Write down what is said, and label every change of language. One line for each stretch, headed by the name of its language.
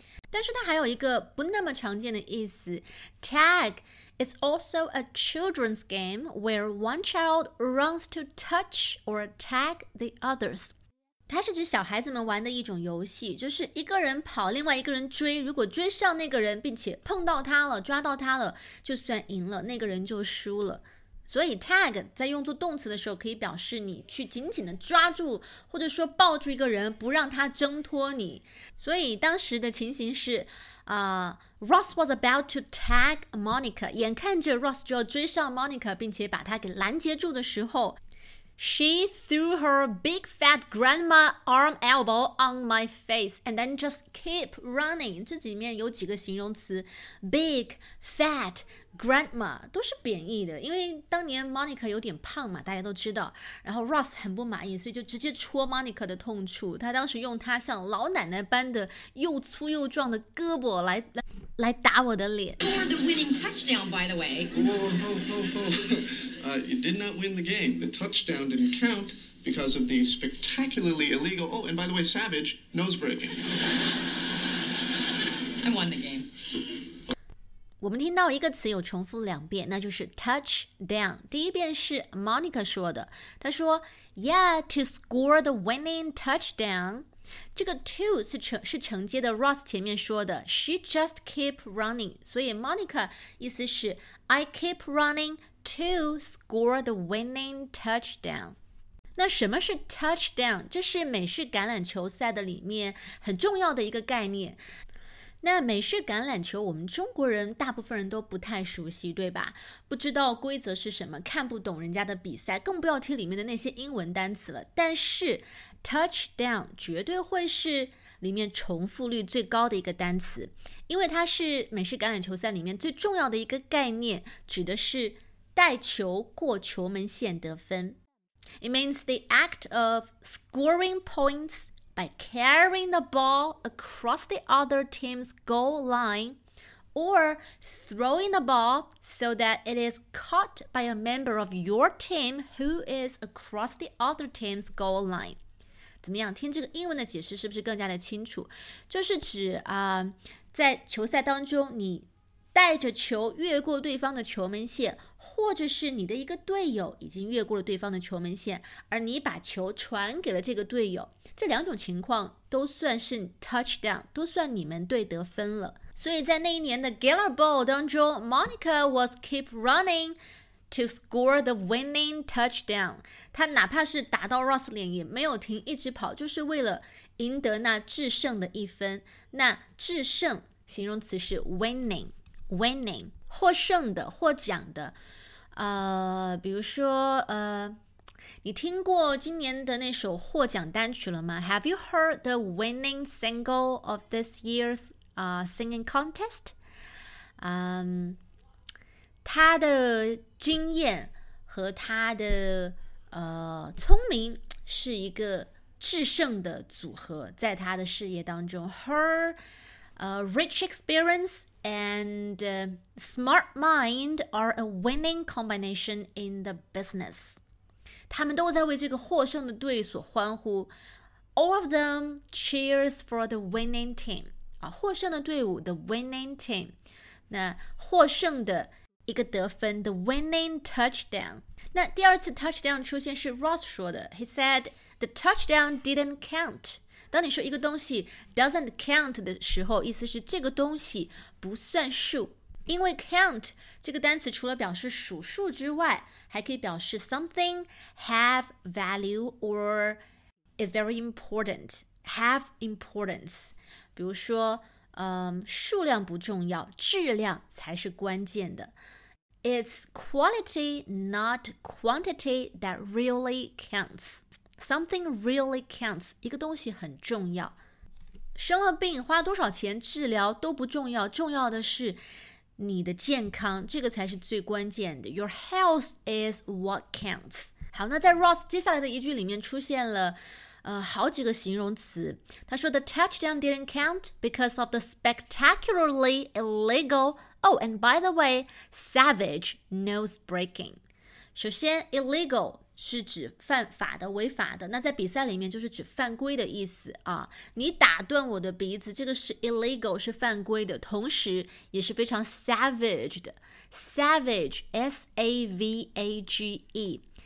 Chinese: 但是它还有一个不那么常见的意思，
English: tagIt's also a children's game where one child runs to touch or tag the others.
Chinese: 它是指小孩子们玩的一种游戏，就是一个人跑，另外一个人追，如果追上那个人并且碰到他了，抓到他了，就算赢了，那个人就输了。所以 tag 在用作动词的时候可以表示你去紧紧的抓住或者说抱住一个人，不让他挣脱你。
English: 所以当时的情形是Ross was about to tag Monica，
Chinese: 眼看着 Ross 就要追上 Monica 并且把她给拦截住的时候，
English: She threw her big fat grandma arm elbow on my face and then just keep running。
Chinese: 这里面有几个形容词， big fat grandma 都是贬义的，因为当年 Monica 有点胖嘛，大家都知道，然后 Ross 很不满意，所以就直接戳 Monica 的痛处，他当时用他像老奶奶般的又粗又壮的胳膊来打我的脸。
English: For the winning touchdown, by the way. Whoa, you did not win the game. The touchdown didn't count because of the spectacularly illegal, oh, and by the way, savage, nose breaking. I won the game.
Chinese: 我们听到一个词有重复两遍，那就是 touchdown。第一遍是 Monica 说的，她说
English: Yeah, to score the winning touchdown。
Chinese: 这个 to 是承接的 Ross 前面说的
English: She just keep running，
Chinese: 所以 Monica 意思是
English: I keep running to score the winning touchdown。
Chinese: 那什么是 touchdown？ 这是美式橄榄球赛的里面很重要的一个概念。那美式橄榄球我们中国人大部分人都不太熟悉，对吧？不知道规则是什么，看不懂人家的比赛，更不要提里面的那些英文单词了。但是Touchdown 绝对会是里面重复率最高的一个单词，因为它是美式橄榄球赛里面最重要的一个概念，指的是带球过球门线得分。
English: It means the act of scoring points by carrying the ball across the other team's goal line or throwing the ball so that it is caught by a member of your team who is across the other team's goal line。
Chinese: 怎么样，听这个英文的解释是不是更加的清楚？就是指在球赛当中你带着球越过对方的球门线，或者是你的一个队友已经越过了对方的球门线，而你把球传给了这个队友，这两种情况都算是 touchdown， 都算你们队得分了。所以在那一年的 Gala Bowl 当中，
English: Monica was keep runningTo score the winning touchdown，
Chinese: 他哪怕是打到 Ross 脸也没有停，一直跑，就是为了赢得那制胜的一分。那制胜形容词是 winning， 获胜的，获奖的。比如说你听过今年的那首获奖单曲了吗？
English: Have you heard the winning single of this year's singing contest？
Chinese: 他的经验和他的聪明是一个制胜的组合，在他的事业当中 ，
English: her rich experience and smart mind are a winning combination in the business。
Chinese: 他们都在为这个获胜的队所欢呼。
English: All of them cheers for the winning team.
Chinese: 啊，获胜的队伍
English: ，the winning team.
Chinese: 那获胜的一个得分 ，
English: the winning touchdown.
Chinese: 那第二次 touchdown 出现是 Ross 说的 ，
English: He said the touchdown didn't count.
Chinese: 当你说一个东西 doesn't count 的时候，意思是这个东西不算数。因为 count 这个单词除了表示数数之外，还可以表示
English: something have value or is very important, have importance.
Chinese: 比如说，数量不重要，质量才是关键的。
English: It's quality, not quantity, that really counts. Something really counts.
Chinese: 一个东西很重要。生了病，花多少钱治疗都不重要，重要的是你的健康，这个才是最关键的。
English: Your health is what counts.
Chinese: 好，那在 Ross 接下来的一句里面出现了好几个形容词。他说
English: The touchdown didn't count because of the spectacularly illegal, oh, and by the way, savage nose breaking.
Chinese: 首先 illegal 是指犯法的、违法的，那在比赛里面就是指犯规的意思啊。你打断我的鼻子，这个是 illegal, 是犯规的，同时也是非常 savage 的。
English: Savage, S-A-V-A-G-E.